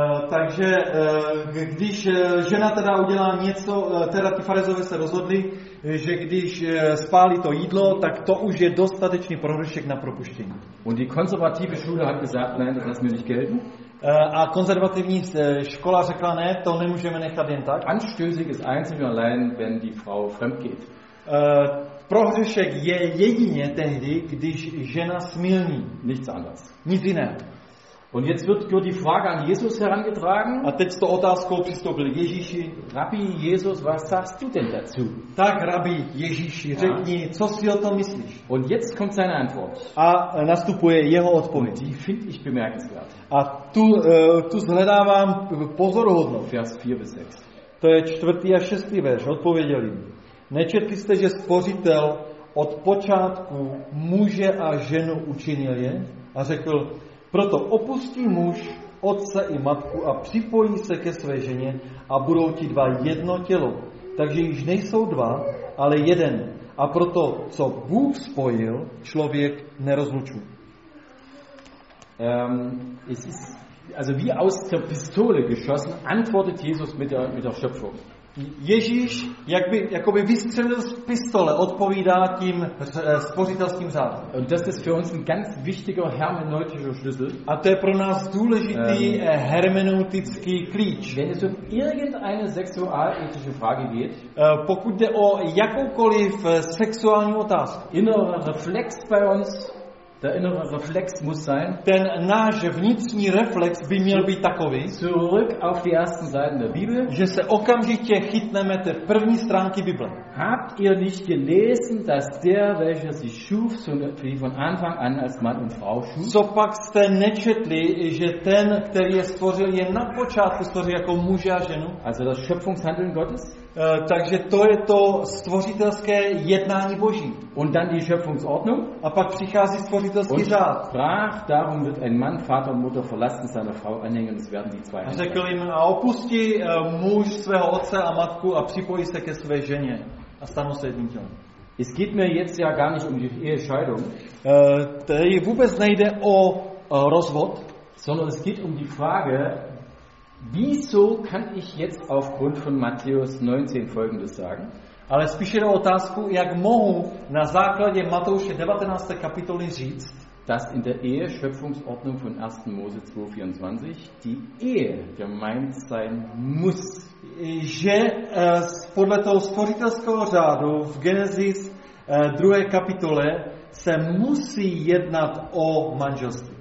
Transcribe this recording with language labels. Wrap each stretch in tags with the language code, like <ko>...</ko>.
<cs>Takže když žena teda udělá něco, teda ty farizové se rozhodli, že když spálí to jídlo, tak to už je dostatečný prohřešek na propuštění.</cs> <de>Und die konservative Schule hat gesagt, nein, das lassen wir nicht gelten.</de> <cs>A konzervativní škola řekla, ne, to nemůžeme nechat jen tak.</cs> <de>Anstößig ist einzig und allein, wenn die Frau fremd geht.</de> <cs>Prohřešek je jedině tehdy, když žena smilní.</cs> <de>Nichts anders.</de> <cs>Nic jiného.</cs> <de>Und jetzt wird die Frage an Jesus herangetragen.</de> <cs>A teď to otázkou přistoupil Ježíši.</cs> <de>Rabbi Jesus, was sagst du denn dazu?</de> <cs>Tak, Rabbi Ježíši, řekni, co si o tom myslíš?</cs> <de>Und jetzt kommt seine Antwort.</de> <cs>A nastupuje jeho odpověď.</cs> <de>Die finde ich bemerkenswert.</de> <cs>A tu shledávám pozoruhodnou.</cs> <de>Vers 4 bis 6.</de> <cs>To je 4. a 6. verš, odpověděl jim. Nečetli jste, že Stvořitel od počátku muže a ženu učinil je? A řekl, proto opustí muž otce i matku a připojí se ke své ženě a budou ti dva jedno tělo. Takže již nejsou dva, ale jeden. A proto, co Bůh spojil, člověk nerozlučuje.</cs> <de>Es ist also wie aus der Pistole geschossen, antwortet Jesus mit der Schöpfung.</de> <cs>Ježíš jakoby vystřelil z pistole, odpovídá tím spořitelským řádem.</cs> <de>Und das ist für uns ein ganz wichtiger hermeneutischer Schlüssel.</de> <cs>A to je pro nás důležitý hermeneutický klíč.</cs> <de>Wenn es um irgendeine sexualethische Frage geht,</de> <cs>pokud jde o jakoukoliv sexuální otázku,</cs> <de>innerer Reflex bei uns, Der innere Reflex muss sein.</de> <cs>Ten náš vnitřní reflex by měl být takový.</cs> <de>Zurück auf die ersten Seiten der Bibel.</de> <cs>Že se okamžitě chytneme té první stránky Bible.</cs> <de>Habt ihr nicht gelesen, dass der, welcher sie schuf, so wie von Anfang an als Mann und Frau schuf?</de> <cs>Copak jste nečetli, že ten, který je stvořil, je na počátku stvořil jako muže a ženu?</cs> <de>Also das Schöpfungshandeln Gottes?</de> <cs>Takže to je to stvořitelské jednání Boží.</cs> <de>Und dann die Schöpfungsordnung?</de> <cs>A pak přichází stvořitelský řád.</cs> <de>Sprach, darum wird ein Mann Vater und Mutter verlassen, seiner Frau anhängen, es werden die zwei.</de> <cs>A řekl jim, a opustí muž svého otce a matku a připojí se ke své ženě a stanou se jedním tělem.</cs> <de>Es geht mir jetzt ja gar nicht um die Ehescheidung.</de> <cs>Tady vůbec nejde o rozvod,</cs> <de>sondern es geht um die Frage, wieso kann ich jetzt aufgrund von Matthäus 19 folgendes sagen?</de> <cs>Ale spíš jde o otázku, jak mohu na základě Matouše 19. kapitoly říct,</cs> <de>dass in der Eheschöpfungsordnung von 1. Mose 2:24 die Ehe gemeint sein muss.</de> <cs>Že podle toho stvořitelského řádu v Genesis 2. kapitole se musí jednat o manželství.</cs>